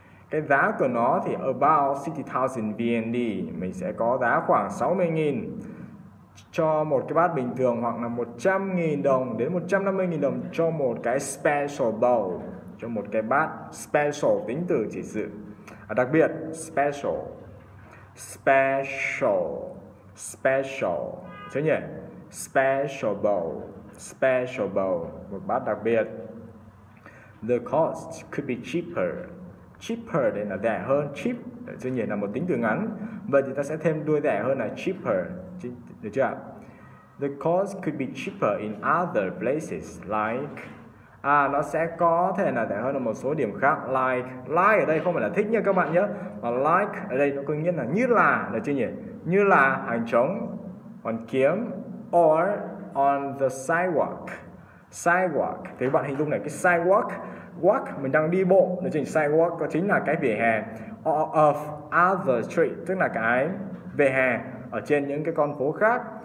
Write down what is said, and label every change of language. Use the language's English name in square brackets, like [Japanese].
[Vietnamese] Cái giá của nó thì about 60,000 VND. Mình sẽ có giá khoảng 60,000 cho một cái bát bình thường, hoặc là 100,000 đồng đến 150,000 đồng cho một cái [English] special bowl, [Vietnamese] cho một cái bát special, tính từ chỉ sự đặc biệt, special. Chứ nhỉ? Special bowl, một bát đặc biệt. [English] The cost could be cheaper. [Vietnamese] Cheaper đây là rẻ hơn, cheap, chứ nhỉ, là một tính từ ngắn. Vậy thì ta sẽ thêm đuôi rẻ hơn là cheaper. Được chưa? [English] The cost could be cheaper in other places like. [Vietnamese] Nó sẽ có thể là rẻ hơn ở một số điểm khác. Like ở đây không phải là thích nha các bạn nhé. Mà like ở đây nó có nghĩa là như là, được chưa nhỉ? Như là Hàng Trống, Hoàn Kiếm, [English] or on the sidewalk. [Vietnamese] Sidewalk, thì các bạn hình dung này, cái sidewalk, walk, mình đang đi bộ, nói chung sidewalk có chính là cái vỉa hè, [English] or of other street, [Vietnamese] tức là cái vỉa hè ở trên những cái con phố khác.